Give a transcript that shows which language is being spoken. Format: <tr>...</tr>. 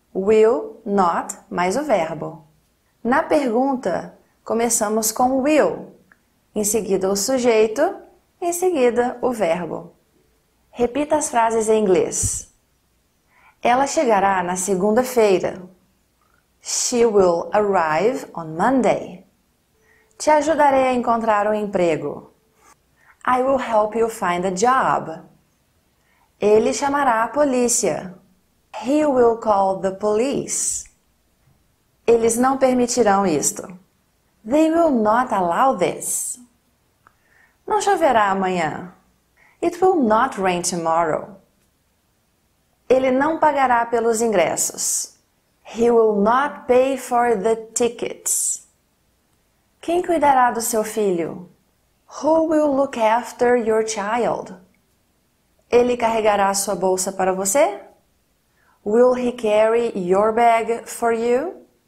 <pt>Will, not, mais o verbo. Na pergunta, começamos com will, em seguida o sujeito, em seguida o verbo. Repita as frases em inglês. Ela chegará na segunda-feira.</pt> <en>She will arrive on Monday.</en> <pt>Te ajudarei a encontrar um emprego.</pt> <en>I will help you find a job.</en> <pt>Ele chamará a polícia.</pt> <en>He will call the police.</en> <pt>Eles não permitirão isto.</pt> <en>They will not allow this.</en> <pt>Não choverá amanhã.</pt> <en>It will not rain tomorrow.</en> <pt>Ele não pagará pelos ingressos.</pt> <en>He will not pay for the tickets.</en> <pt>Quem cuidará do seu filho?</pt> <en>Who will look after your child?</en> <pt>Ele carregará sua bolsa para você?</pt> <en>Will he carry your bag for you?</en>